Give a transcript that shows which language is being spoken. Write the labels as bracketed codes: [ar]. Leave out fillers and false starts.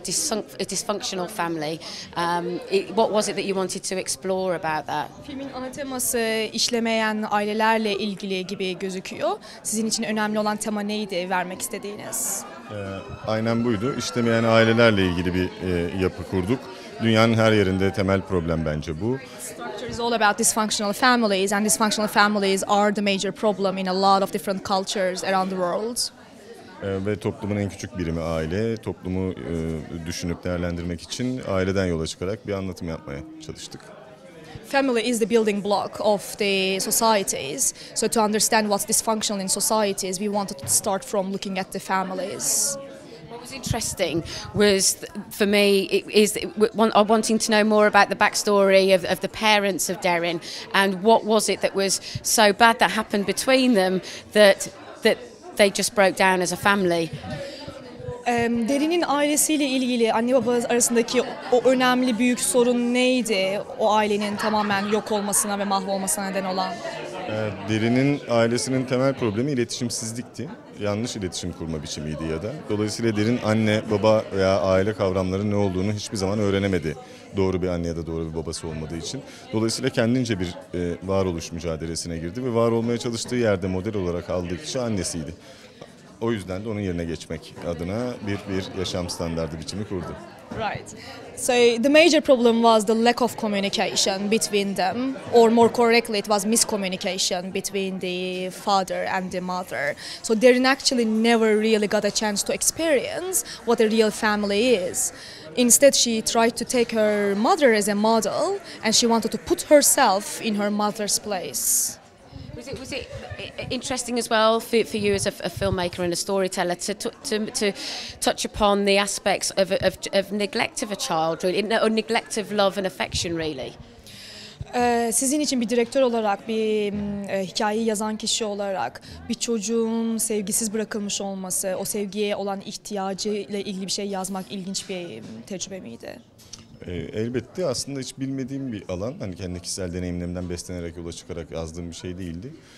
[en] A dysfunctional family. What was it that you wanted to explore about that? [tr] Filmin ana teması işlemeyen ailelerle ilgili gibi gözüküyor. Sizin için önemli olan tema neydi vermek istediğiniz? Aynen buydu. İşlemeyen ailelerle ilgili bir yapı kurduk. Dünyanın her yerinde temel problem bence bu. [en] Structure is all about dysfunctional families and dysfunctional families are the major problem in a lot of different cultures around the world. [tr] Ve toplumun en küçük birimi aile. Toplumu düşünüp değerlendirmek için aileden yola çıkarak bir anlatım yapmaya çalıştık. [en] Family is the building block of the societies. So to understand what's dysfunctional in societies, we wanted to start from looking at the families. Interesting was for me is wanting to know more about the backstory of the parents of Derin and what was it that was so bad that happened between them that they just broke down as a family. [tr] Derin'in ailesiyle ilgili anne baba arasındaki o önemli büyük sorun neydi? O ailenin tamamen yok olmasına ve mahvolmasına neden olan. Derin'in ailesinin temel problemi iletişimsizlikti. Yanlış iletişim kurma biçimiydi ya da. Dolayısıyla Derin anne, baba veya aile kavramları ne olduğunu hiçbir zaman öğrenemedi. Doğru bir anne ya da doğru bir babası olmadığı için. Dolayısıyla kendince bir varoluş mücadelesine girdi ve var olmaya çalıştığı yerde model olarak aldığı kişi annesiydi. O yüzden de onun yerine geçmek adına bir yaşam standardı biçimi kurdu. [en] Right. So the major problem was the lack of communication between them, or more correctly, it was miscommunication between the father and the mother. So Derin actually never really got a chance to experience what a real family is. Instead, she tried to take her mother as a model, and she wanted to put herself in her mother's place. Was it interesting as well for you as a filmmaker and a storyteller to touch upon the aspects of neglect of a child, really, or neglect of love and affection, really? [tr] Sizin için bir direktör olarak, bir hikayeyi yazan kişi olarak bir çocuğun sevgisiz bırakılmış olması, o sevgiye olan ihtiyacı ile ilgili bir şey yazmak ilginç bir tecrübe miydi? Elbette aslında hiç bilmediğim bir alan, hani kendi kişisel deneyimlerimden beslenerek yola çıkarak yazdığım bir şey değildi.